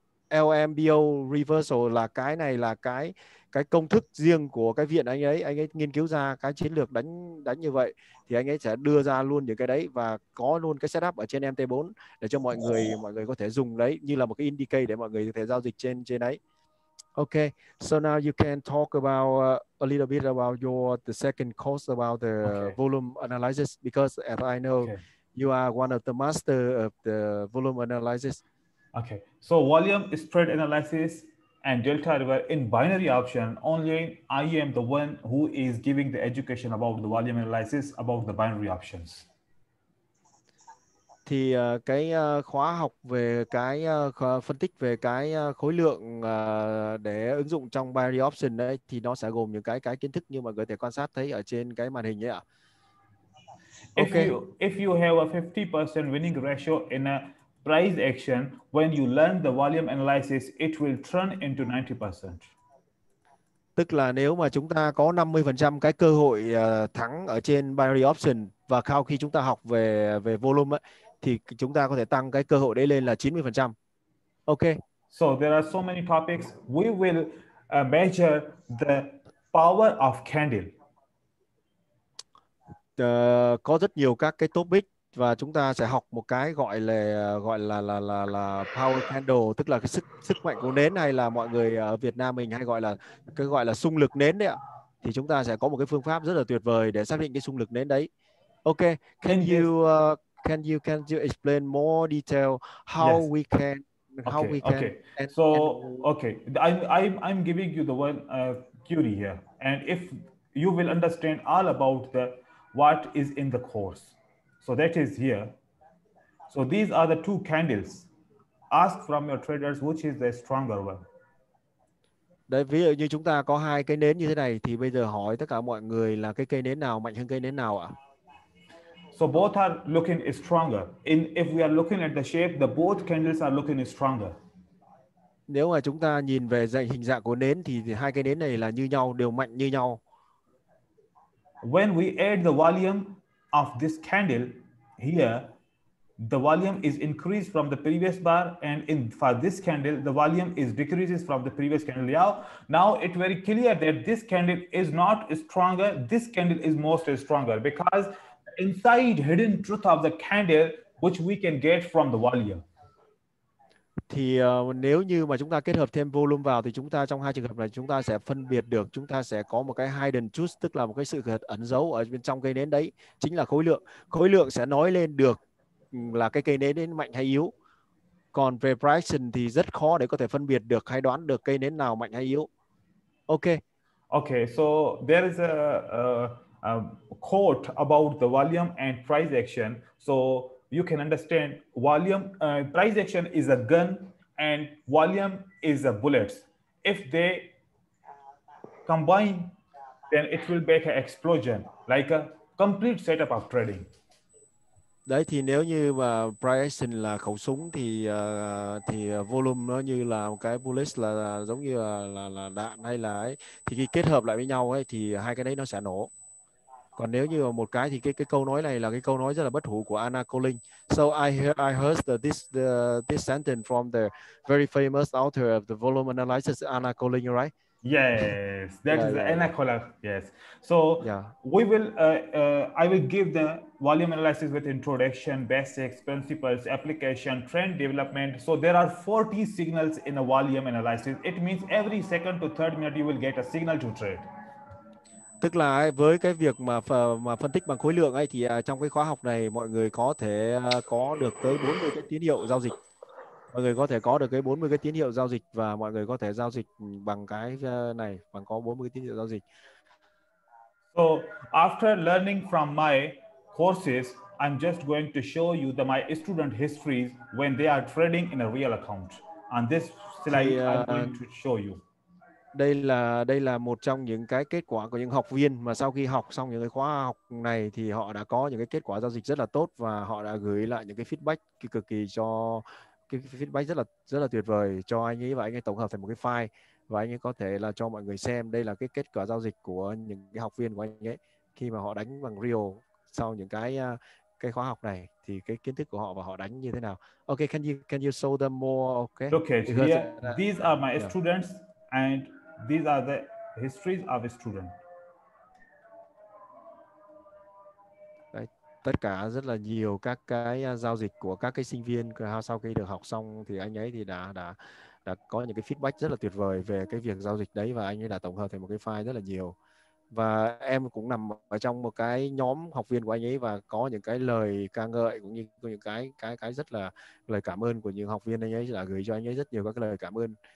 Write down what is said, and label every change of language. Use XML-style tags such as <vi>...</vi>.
<vi>LMBO reversal, là cái này là cái công thức riêng của cái viện anh ấy nghiên cứu ra cái chiến lược đánh như vậy, thì anh ấy sẽ đưa ra luôn những cái đấy và có luôn cái setup ở trên MT4 để cho mọi người có thể dùng đấy như là một cái indicator để mọi người có thể giao dịch trên đấy.</vi> <en>Okay, so now you can talk about a little bit about the second course about the volume analysis, because as I know you are one of the master of the volume analysis. Okay, so volume spread analysis and delta river in binary option only, I am the one who is giving the education about the volume analysis, about the binary options.</en> <vi>Thì cái khóa học về cái phân tích về cái khối lượng để ứng dụng trong binary option đấy, thì nó sẽ gồm những cái kiến thức như mọi người có thể quan sát thấy ở trên cái màn hình ấy ạ.</vi> <en>Okay. If you have a 50% winning ratio in a price action, when you learn the volume analysis, it will turn into 90%.</en> <vi>Tức là nếu mà chúng ta có 50% cái cơ hội thắng ở trên binary option, và sau khi chúng ta học về volume ấy, thì chúng ta có thể tăng cái cơ hội đấy lên là 90%.</vi> <en>Okay. So there are so many topics. We will measure the power of candle.</en> <vi>Có rất nhiều các cái topic, và chúng ta sẽ học một cái gọi là power candle, tức là cái sức mạnh của nến, hay là mọi người ở Việt Nam mình hay gọi là xung lực nến đấy ạ. Thì chúng ta sẽ có một cái phương pháp rất là tuyệt vời để xác định cái xung lực nến đấy.</vi> <en>Okay, can you explain more detail how we can I'm giving you the one query here, and if you will understand all about the what is in the course. So that is here. So these are the two candles. Ask from your traders which is the stronger one.</en> <vi>Đấy, ví dụ như chúng ta có hai cây nến như thế này, thì bây giờ hỏi tất cả mọi người là cái cây nến nào mạnh hơn cây nến nào ạ?</vi> <en>So both are looking stronger. If we are looking at the shape, the both candles are looking stronger.</en> <vi>Nếu mà chúng ta nhìn về hình dạng của nến thì hai cây nến này là như nhau, đều mạnh như nhau.</vi> <en>When we add the volume of this candle here, the volume is increased from the previous bar, and for this candle, the volume is decreases from the previous candle. Now it very clear that this candle is not stronger. This candle is most stronger because inside hidden truth of the candle, which we can get from the volume.</en> <vi>Thì nếu như mà chúng ta kết hợp thêm volume vào, thì chúng ta trong hai trường hợp này chúng ta sẽ phân biệt được, chúng ta sẽ có một cái</vi> <en>hidden truth,</en> <vi>tức là một cái sự thật ẩn giấu ở bên trong cây nến đấy, chính là khối lượng. Khối lượng sẽ nói lên được là cái cây nến đến mạnh hay yếu. Còn về pricing thì rất khó để có thể phân biệt được hay đoán được cây nến nào mạnh hay yếu.</vi> <en>Okay. Okay, so there is a quote about the volume and price action. So you can understand volume, price action is a gun and volume is a bullets. If they combine, then it will make an explosion, like a complete setup of trading.</en> <vi>Đấy thì nếu như mà price action là khẩu súng thì volume nó như là một cái bullet là giống như là đạn hay là ấy, thì khi kết hợp lại với nhau ấy thì hai cái đấy nó sẽ nổ. Còn nếu như một cái thì cái câu nói này là cái câu nói rất là bất hủ của Anna Collin.</vi> <en>So I heard this sentence from the very famous author of the volume analysis, Anna Collin, right? Yes, that is Anna Collin. Yes. So We will I will give the volume analysis with introduction, basics, principles, application, trend development. So there are 40 signals in a volume analysis. It means every second to third minute you will get a signal to trade.</en> <vi>Tức là với cái việc mà phân tích bằng khối lượng ấy thì trong cái khóa học này mọi người có thể có được tới 40 cái tín hiệu giao dịch. Mọi người có thể có được cái 40 cái tín hiệu giao dịch và mọi người có thể giao dịch bằng cái này, bằng có 40 cái tín hiệu giao dịch.</vi> <en>So after learning from my courses, I'm just going to show you the my student histories when they are trading in a real account. And this slide I'm going to show you.</en> <vi>Đây là một trong những cái kết quả của những học viên mà sau khi học xong những cái khóa học này thì họ đã có những cái kết quả giao dịch rất là tốt và họ đã gửi lại những cái feedback cực kỳ cho cái feedback rất là tuyệt vời cho anh ấy, và anh ấy tổng hợp thành một cái file và anh ấy có thể là cho mọi người xem. Đây là cái kết quả giao dịch của những cái học viên của anh ấy khi mà họ đánh bằng real sau những cái khóa học này, thì cái kiến thức của họ và họ đánh như thế nào.</vi> <en>Okay, can you show them more? Okay, here, these are my students and these are the histories of a student.</en> <vi>Đấy, tất cả rất là nhiều các cái giao dịch của các cái sinh viên sau khi được học xong thì anh ấy thì đã có những cái feedback rất là tuyệt vời về cái việc giao dịch đấy, và anh ấy đã tổng hợp thành một cái file rất là nhiều. Và em cũng nằm ở trong một cái nhóm học viên của anh ấy và có những cái lời ca ngợi cũng như những cái rất là lời cảm ơn của những học viên anh ấy đã gửi cho anh ấy rất nhiều các cái lời cảm ơn.</vi>